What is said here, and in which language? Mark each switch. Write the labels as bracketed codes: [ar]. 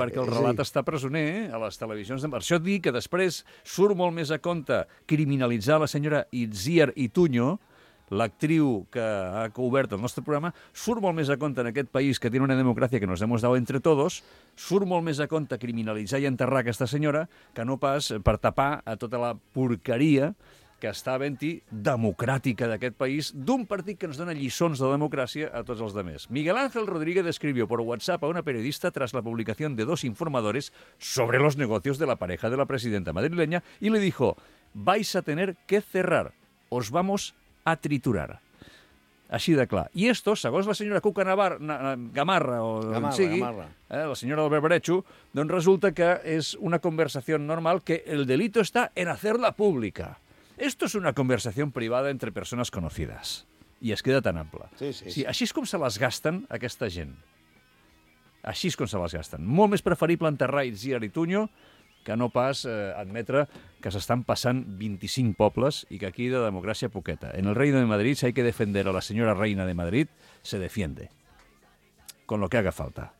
[ca] Perquè el relat està presoner a les televisions. Per això et dic que després surt molt més a compte criminalitzar la senyora Itziar Ituño, l'actriu que ha cobert el nostre programa, surt molt més a compte en aquest país que té una democràcia que [es] nos hemos dado entre todos, [ca] surt molt més a compte criminalitzar i enterrar aquesta senyora que no pas per tapar a tota la porqueria que està havent-hi democràtica d'aquest país, d'un partit que ens dona lliçons de democràcia a tots els demés. [es] Miguel Ángel Rodríguez escribió por WhatsApp a una periodista tras la publicación de 2 informadores sobre los negocios de la pareja de la presidenta madrileña y le dijo, vais a tener que cerrar, os vamos a triturar. [ca] Així de clar. I esto, segons la senyora Cuca Gamarra. La senyora Albert Brechu, doncs resulta que és una conversació normal, que el delito està [es] en hacerla pública. Esto es una conversación privada entre persones conocidas. [ca] I es queda tan ample. Sí. Així és com se les gasten, aquesta gent. Així és com se les gasten. Molt més preferible enterrar Itziar Ituño que no pas admetre que s'estan passant 25 pobles i que aquí de democràcia poqueta. [es] En el Reino de Madrid, si hay que defender a la señora reina de Madrid, se defiende. Con lo que haga falta.